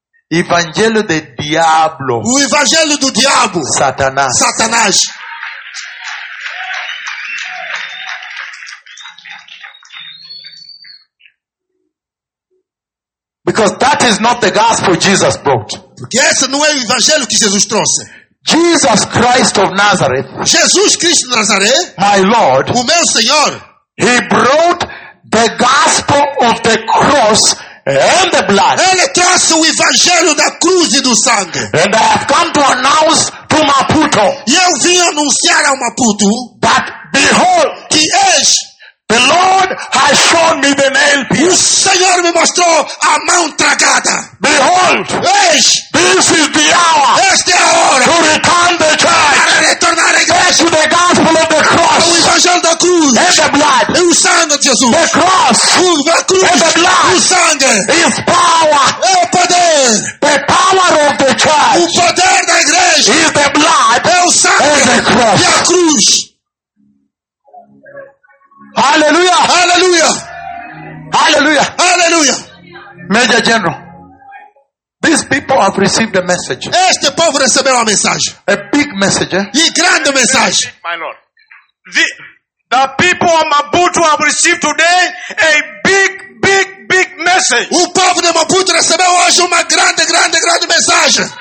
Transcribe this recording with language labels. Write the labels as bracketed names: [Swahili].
[Portuguese] Evangelho de diabo. O evangelho do diabo. Satanás. Satanás. [English] Because that is not the gospel Jesus brought. [Portuguese] Porque esse não é o evangelho que Jesus trouxe. [English] Jesus Christ of Nazareth. [Portuguese] Jesus Cristo de Nazaré. [English] My Lord. [Portuguese] O meu Senhor. [English] He brought the gospel of the cross and the blood. [Portuguese] Ele trouxe o evangelho da cruz e do sangue. [English] And I have come to announce to Maputo. [Portuguese] E eu vim anunciar ao Maputo. [English] That behold, [Portuguese] que eis. [English] The Lord has shown me the nail pierce. [Portuguese] O Senhor me mostrou a mão tragada. [English] Behold, [Portuguese] eis, [English] this is the hour. [Portuguese] Esta é a hora. [English] To return the church. [Portuguese] Para retornar a igreja. [English] To the gospel of the cross. [Portuguese] O evangelho da cruz. [English] And the blood. [Portuguese] E o sangue de Jesus. [English] The cross. [Portuguese] A cruz. [English] And the blood. [Portuguese] O sangue. [English] Is power. [Portuguese] É o poder. [English] The power of the church. [Portuguese] O poder da igreja. [English] Is the blood. [Portuguese] É o sangue. [English] And the cross. [Portuguese] E a cruz. [English] Hallelujah! [Portuguese] Hallelujah! [English] Hallelujah! [Portuguese] Hallelujah! [English] Major General, these people have received a message. [Portuguese] Este povo recebeu a mensagem. [English] A big message, eh? [Portuguese] E grande mensagem. [English] My Lord, the people of Maputo have received today a big, big, big message. [Portuguese] O povo de Maputo recebeu hoje uma grande, grande, grande mensagem.